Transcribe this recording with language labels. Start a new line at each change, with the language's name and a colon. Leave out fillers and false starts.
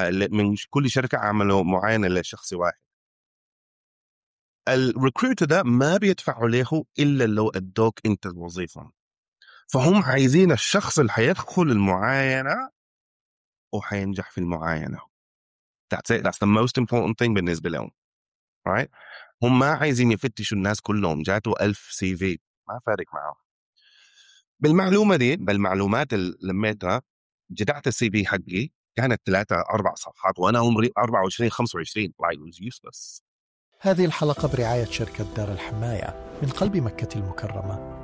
Arabic: من كل شركه عملوا معاينه لشخص واحد. الريكروتر ده ما بيدفعوا له الا لو ادوك انت الوظيفه، فهم عايزين الشخص اللي حيدخل المعاينه وحينجح في المعاينه.
English: That's the most important thing
Arabic: بالنسبه لهم.
English: Right?
Arabic: هم ما عايزين يفتشوا الناس كلهم، جاتوا 1000 سي في ما فارق معهم. بالمعلومه دي، بالمعلومات اللي لميتها، جدعت السي في حقي كانت 3-4 صفحات وانا عمري 24-25.
English: Like, it was useless.
Arabic: هذه الحلقه برعايه شركه دار الحمايه من قلب مكه المكرمه.